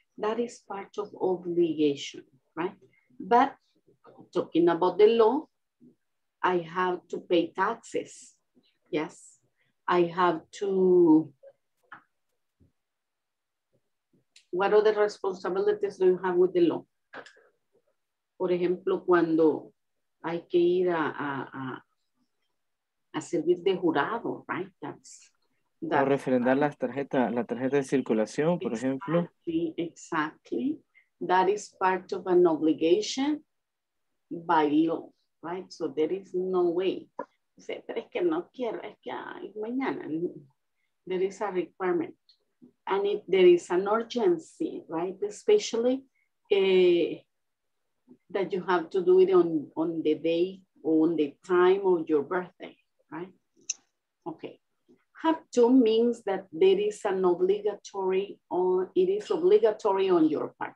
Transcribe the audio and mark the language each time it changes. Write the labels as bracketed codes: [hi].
[en] That is part of obligation, right? But talking about the law, I have to pay taxes, yes? I have to, what other responsibilities do you have with the law? [es] Por ejemplo, cuando hay que ir a servir de jurado, right? That's o refrendar la tarjeta de circulación, por ejemplo. [en] Exactly. That is part of an obligation by law, right? So there is no way. [es] Pero es que no quiero, es que ay, mañana. [en] There is a requirement. And if there is an urgency, right? Especially that you have to do it on the day or on the time of your birthday, right? Okay. Have to means that there is an obligatory or it is obligatory on your part.